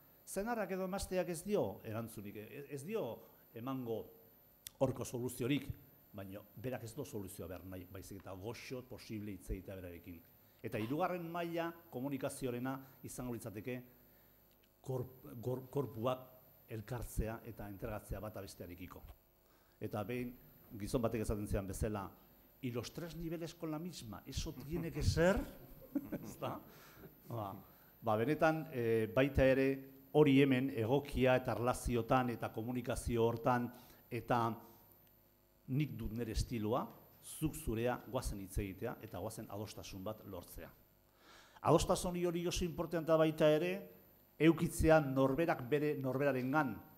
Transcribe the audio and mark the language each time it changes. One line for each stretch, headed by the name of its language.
Basque: zenarrak edo emazteak ez dio erantzunik, ez dio emango horko soluziorik, baina berak ez du soluzioa behar nahi, baizik eta goxo posible hitz egitea berarekin. Eta hirugarren maila komunikazioarena izango litzateke korpuak elkartzea eta entregatzea bata bestearekiko. Eta behin gizon batek esaten zian bezala,
Spanish: y los tres niveles con la misma, eso tiene que ser,
Basque: ezta? Ba, benetan baita ere hori hemen egokia eta erlaziotan eta komunikazio hortan eta nik dut nire estiloa, zuk zurea, goazen hitz egitea eta goazen adostasun bat lortzea. Adostasun hori oso importantea baita ere, eukitzea norberak bere norberarengan.